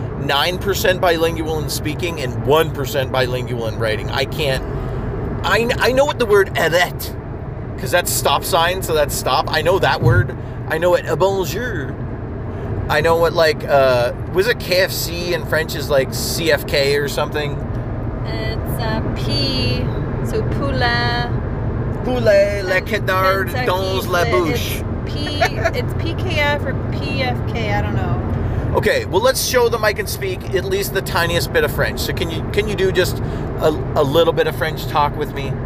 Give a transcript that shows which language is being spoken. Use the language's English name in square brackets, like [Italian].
[English] 9% bilingual in speaking and 1% bilingual in writing. I can't. I know what the word "arrêt," because that's stop sign, so that's stop. I know that word. I know what "bonjour." I know what, like, was it KFC in French is like CFK or something? It's a P. So poulet. [French] Poulet, le canard, dans la bouche. [English] It's PKF or PFK, I don't know. Okay, well, let's show them I can speak at least the tiniest bit of French. So can you do just a little bit of French talk with me?